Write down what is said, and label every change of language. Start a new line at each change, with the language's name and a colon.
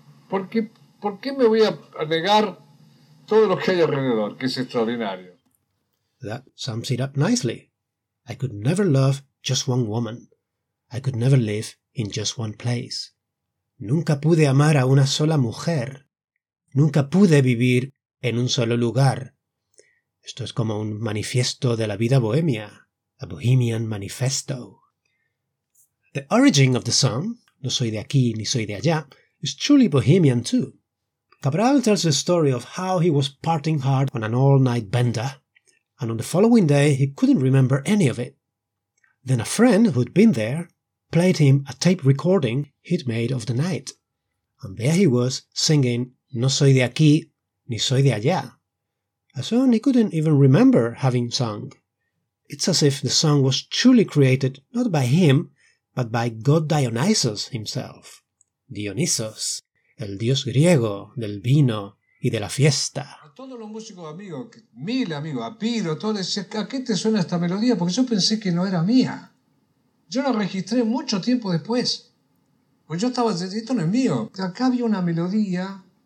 Spanish: ¿Por qué me voy a negar todo lo que hay alrededor, que es extraordinario?
English: That sums it up nicely. I could never love just one woman. I could never live in just one place.
Spanish: Nunca pude amar a una sola mujer. Nunca pude vivir en un solo lugar. Esto es como un manifiesto de la vida bohemia,
English: a bohemian manifesto. The origin of the song, No soy de aquí ni soy de allá, is truly bohemian too. Cabral tells the story of how he was partying hard on an all-night bender, and on the following day he couldn't remember any of it. Then a friend who'd been there played him a tape recording he'd made of the night, and there he was singing No soy de aquí, ni soy de allá. A song he couldn't even remember having sung. It's as if the song was truly created not by him, but by God Dionysus himself.
Spanish: Dionysos, el dios griego del vino y de la fiesta. A todos los músicos amigos, mil amigos, a Piro, todos decían, ¿a qué te suena esta melodía? Porque yo pensé que no era mía. Yo la registré mucho tiempo después. Pues yo estaba diciendo, esto no es mío. Acá había una melodía.